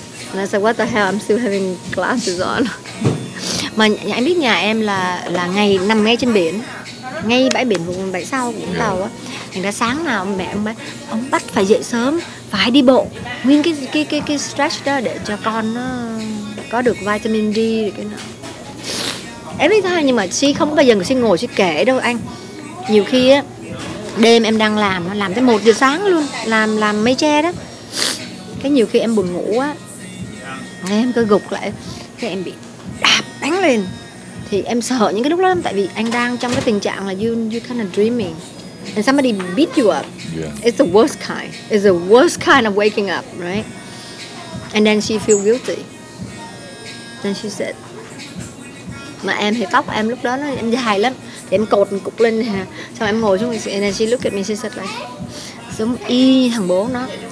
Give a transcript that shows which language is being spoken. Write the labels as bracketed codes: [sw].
[en] And I said, what the hell, I'm still having glasses on. [vi] Mà anh biết nhà em là ngày nằm ngay trên biển, ngay bãi biển vùng bãi sau Vũng Tàu á, thành ra sáng nào mẹ ông bắt phải dậy sớm, phải đi bộ nguyên cái stretch đó để cho con nó có được vitamin D rồi cái nọ. Em biết thôi, nhưng mà chị không bao giờ chị ngồi chị kể đâu anh. Nhiều khi á, đêm em đang làm, nó làm tới 1 giờ sáng luôn, làm mây tre đó, cái nhiều khi em buồn ngủ á, em cứ gục lại cái em bị đạp đánh lên. Thì em sợ những cái lúc đó lắm, tại vì anh đang trong cái tình trạng là [en] you kind of dreaming and somebody beat you up. It's the worst kind. It's the worst kind of waking up, right? And then she feel guilty. Then she said, [vi] mà em thì tóc em lúc đó nó em dài lắm, thì em cột một cục lên ha. Xong em ngồi xuống, [en] and then she look at me, she said like, [vi] giống y như thằng bố nó.